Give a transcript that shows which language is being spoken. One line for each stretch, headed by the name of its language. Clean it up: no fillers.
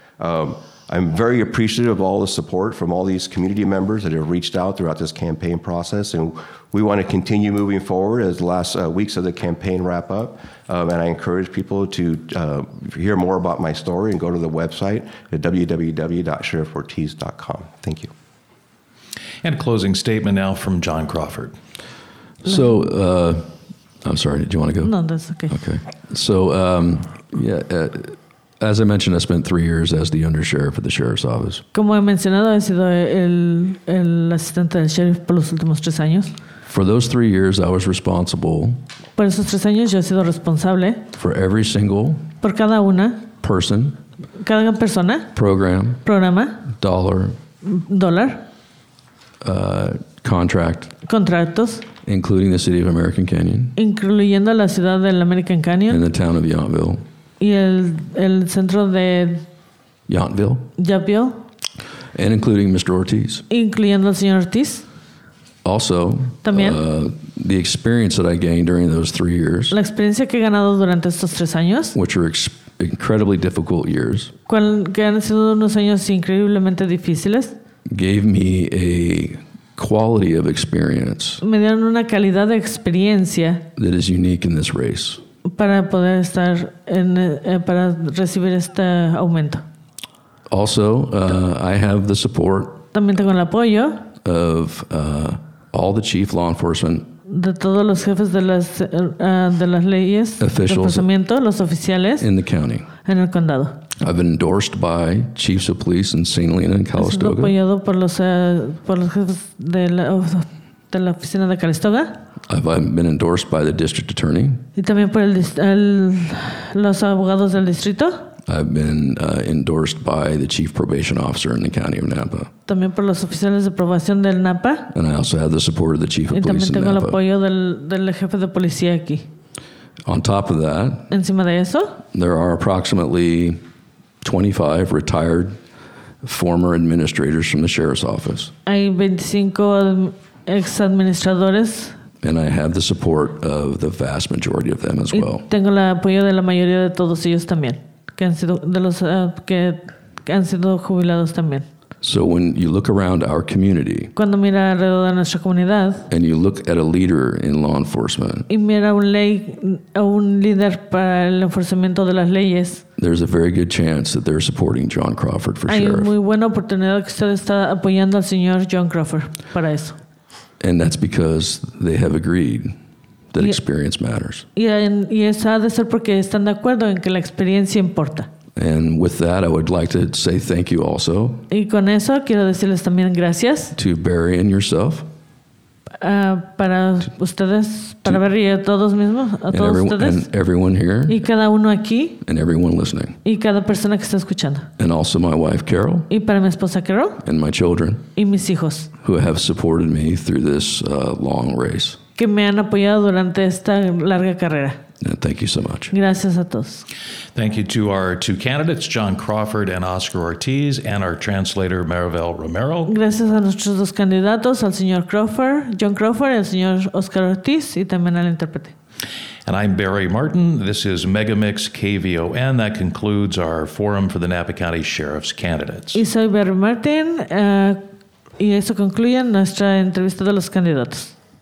English: I'm very appreciative of all the support from all these community members that have reached out throughout this campaign process, and we want to continue moving forward as the last weeks of the campaign wrap up, and I encourage people to hear more about my story and go to the website at www.sheriffortiz.com. Thank you. And a closing statement now from John Crawford. So, I'm sorry, did you want to go? No, that's okay. Okay. So, as I mentioned, I spent 3 years as the undersheriff at the sheriff's office.
Spanish: Como he mencionado, he sido el asistente del sheriff por los últimos 3 años.
English: For those 3 years, I was responsible.
Spanish: Por esos 3 años, yo he sido responsable.
English: For every single.
Spanish: Por cada una.
English: Person.
Spanish: Cada persona.
English: Program.
Spanish: Programa.
English: Dollar.
Spanish: Dólar.
English: Contract.
Spanish: Contratos.
English: Including the city of American Canyon.
Spanish: Incluyendo la ciudad del American Canyon.
English: And the town of Yountville.
Spanish: Y el centro de Yountville. Yountville.
English: And including Mr. Ortiz.
Spanish: Incluyendo al señor Ortiz.
English: Also,
Spanish: también,
English: the experience that I gained during those 3 years,
Spanish: la experiencia que he ganado durante estos 3 años,
English: which are incredibly difficult years,
Spanish: que han sido unos años increíblemente difíciles,
English: gave me a quality of experience,
Spanish: me dieron una calidad de experiencia,
English: that is unique in this race,
Spanish: para poder estar en, para recibir este aumento.
English: Also, I have the support,
Spanish: también tengo el apoyo,
English: of all the chief law enforcement,
Spanish: de todos los jefes de las leyes,
English: officials,
Spanish: los oficiales,
English: in the county,
Spanish: en el condado.
English: I've been endorsed by chiefs of police in St. Helena and Calistoga.
Spanish: He sido apoyado por los jefes de la oficina de Calistoga.
English: I've been endorsed by the district attorney.
Spanish: Y también por los abogados del distrito.
English: I've been endorsed by the chief probation officer in the county of Napa.
Spanish: También por los oficiales de probación del Napa.
English: And I also have the support of the chief of police in Napa.
Spanish: Y también tengo el apoyo del jefe de policía aquí.
English: On top of that,
Spanish: encima de eso,
English: there are approximately 25 retired former administrators from the sheriff's office.
Spanish: Hay 25 ex administradores.
English: And I have the support of the vast majority of them as well.
Spanish: Y tengo el apoyo de la mayoría de todos ellos también. Que han sido de los que han sido jubilados también.
English: So when you look around our community,
Spanish: cuando mira alrededor de nuestra comunidad,
English: and you look at a leader in law enforcement,
Spanish: y mira un líder para el enforcimiento de las leyes,
English: there's a very good chance that they're supporting John Crawford for sheriff.
Spanish: Hay muy buena oportunidad que usted está apoyando al señor John Crawford para eso.
English: And that's because they have agreed that experience matters.
Spanish: Y eso ha de ser porque están de acuerdo en que la experiencia importa.
English: And with that, I would like to say thank you also.
Spanish: Y con eso quiero decirles también gracias.
English: To Barry and yourself.
Spanish: Para ustedes, para Barry y a todos mismos, a todos ustedes.
English: And everyone here.
Spanish: Y cada uno aquí.
English: And everyone listening.
Spanish: Y cada persona que está escuchando.
English: And also my wife Carol.
Spanish: Y para mi esposa Carol.
English: And my children.
Spanish: Y mis hijos.
English: Who have supported me through this long race.
Spanish: Que me han apoyado durante esta larga carrera.
English: And thank you so much.
Spanish: Gracias a todos.
English: Thank you to our two candidates, John Crawford and Oscar Ortiz, and our translator, Maribel Romero.
Spanish: Gracias a nuestros dos candidatos, al señor Crawford, John Crawford, el señor Oscar Ortiz, y también al intérprete.
English: And I'm Barry Martin. This is Megamix KVON. That concludes our forum for the Napa County Sheriff's candidates.
Spanish: Y soy Barry Martin, y eso concluye nuestra entrevista de los candidatos.